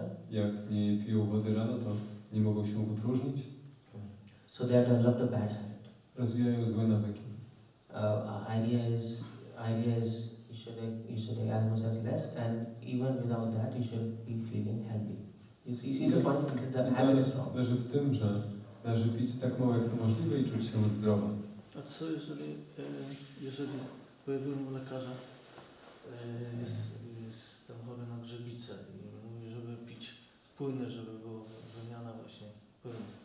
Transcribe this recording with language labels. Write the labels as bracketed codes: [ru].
[pl] Jak nie piją wody rano, to nie mogą się wypróżnić. [en] So they have developed a bad habit. [pl] Rozwijają złe nawyki. [en] Idea is you should take as much as less, and even without that, you should be feeling healthy. You see the point that the habit is wrong. [pl] Leży w tym, że należy pić tak mało jak to możliwe i czuć się zdrowo. A co jeżeli pojawiłem u lekarza jestem chory na grzybicę i mówi, żeby pić płyny, żeby była wymiana właśnie płynu.